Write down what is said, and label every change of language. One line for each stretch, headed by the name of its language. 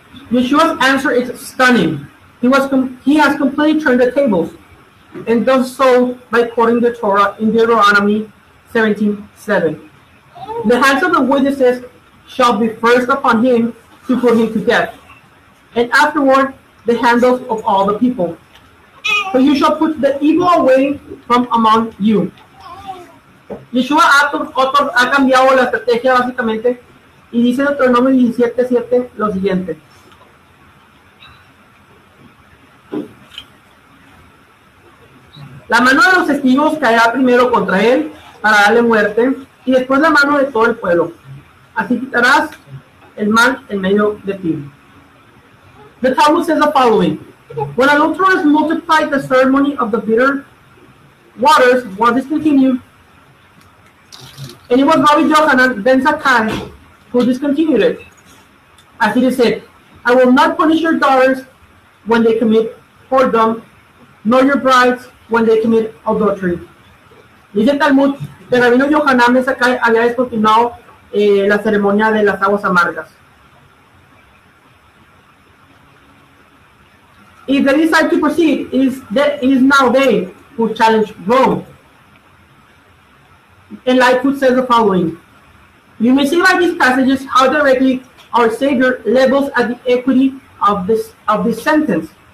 English: Yeshua's answer is stunning. He has completely turned the tables and does so by quoting the Torah in Deuteronomy 17:7. The hands of the witnesses shall be first upon him to put him to death, and afterward the handles of all the people. For you shall put the evil away from among you.
Spanish: Yeshua ha cambiado la estrategia básicamente y dice en Deuteronomy 17:7 lo siguiente: la mano de los testigos caerá primero contra él para darle muerte, y después la mano de todo el pueblo. Así quitarás el mal en medio de ti.
English: The Talmud says the following: when adulterers multiplied the ceremony of the bitter waters, was discontinued, and it was Rabbi Yochanan ben Zakkai who discontinued it. As it is said, I will not punish your daughters when they commit whoredom, nor your brides when they commit adultery.
Spanish: Dice el Talmud que Rabino Yohanan ben Zakkai había descontinuado la ceremonia de las aguas amargas.
English: If they decide to proceed, it is now they who challenge Rome. And Lightfoot says the following: you may see by these passages how directly our Savior levels at the equity of this sentence.